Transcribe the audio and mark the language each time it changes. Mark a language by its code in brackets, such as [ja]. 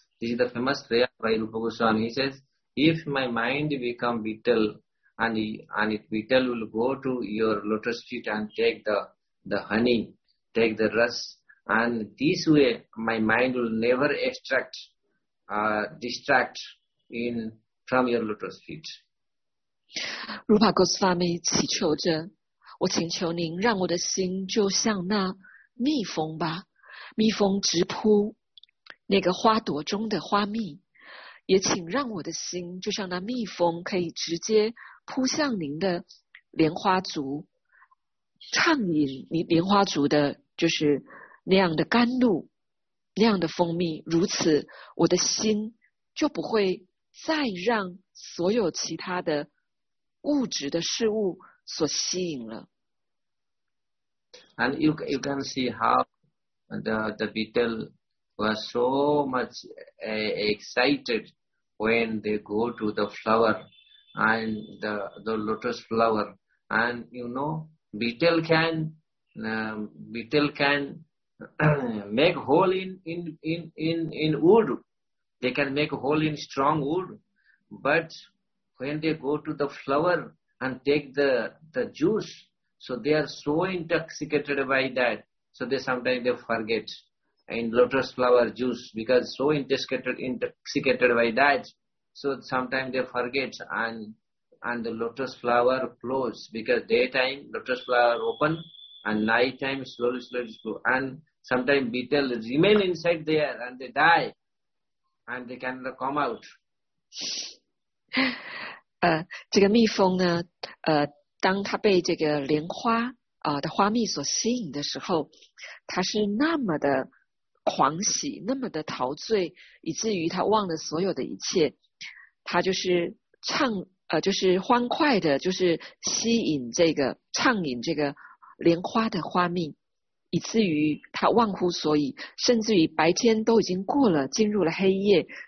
[en] This is the famous prayer by Rupa Goswami. He says, if my mind become beetle and if beetle will go to your lotus feet and take the honey, take the rust, and this way my mind will never extract, distract in from your lotus feet. [zh] Rupa Goswami 祈求着，我请求您让我的心就像那蜜蜂吧，蜜蜂直扑那个花朵中的花蜜，也请让我的心就像那蜜蜂，可以直接扑向您的莲花族，畅饮您莲花族的，就是那样的甘露。那样的蜂蜜，如此我的心就不会再让所有其他的物质的事物所吸引了。 [en] And you can see how the beetle was so much excited when they go to the flower and the lotus flower. And you know, beetle can make hole in wood. They can make a hole in strong wood. But when they go to the flower and take the juice, so they are so intoxicated by that. So they sometimes they forget in lotus flower juice because so intoxicated by that. So sometimes they forget and and the lotus flower flows, because daytime lotus flower open and night time slowly, slowly flow. And sometimes beetles remain inside there and they die and they cannot come out. [zh] 这个蜜蜂呢，当它被这个莲花的花蜜所吸引的时候，它是那么的狂喜，那么的陶醉，以至于它忘了所有的一切。它就是就是欢快的，就是吸引这个畅饮这个莲花的花蜜，以至于它忘乎所以，甚至于白天都已经过了，进入了黑夜。